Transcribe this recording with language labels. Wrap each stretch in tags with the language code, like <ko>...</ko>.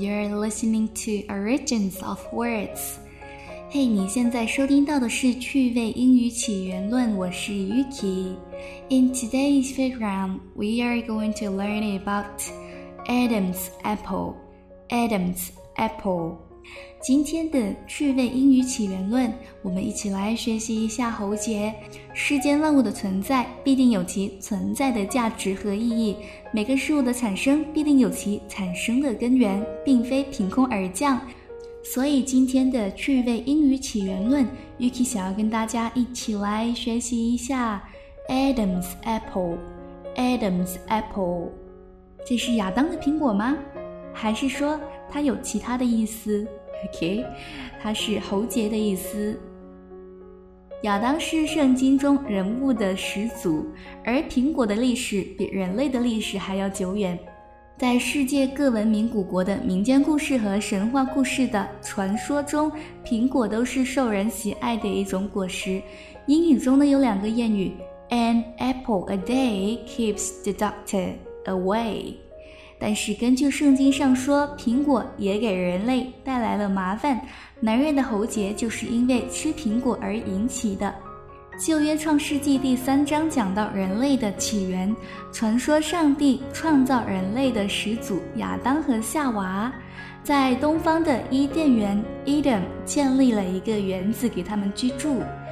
<en>You're listening to Origins of Words.</en> <zh>Hey, 你现在收听到的是趣味英语起源论，我是 Yuki.</zh> <en>In today's program, we are going to learn about Adam's apple. Adam's apple.</en> <zh>今天的趣味英语起源论，我们一起来学习一下喉结。世间万物的存在必定有其存在的价值和意义，每个事物的产生必定有其产生的根源，并非凭空而降。所以今天的趣味英语起源论， Yuki 想要跟大家一起来学习一下 Adam's apple. Adam's apple， 这是亚当的苹果吗？还是说它有其他的意思？OK， 它是喉结的意思。亚当是圣经中人物的始祖，而苹果的历史比人类的历史还要久远。在世界各文明古国的民间故事和神话故事的传说中，苹果都是受人喜爱的一种果实。英语中呢有两个谚语，</zh> <en>An apple a day keeps the doctor away。</en> <zh>但是根据圣经上说，苹果也给人类带来了麻烦，男人的喉结就是因为吃苹果而引起的。旧约创世纪第三章讲到人类的起源，传说上帝创造人类的始祖亚当和夏娃在东方的伊甸园 Eden 建立了一个园子给他们居住。</zh>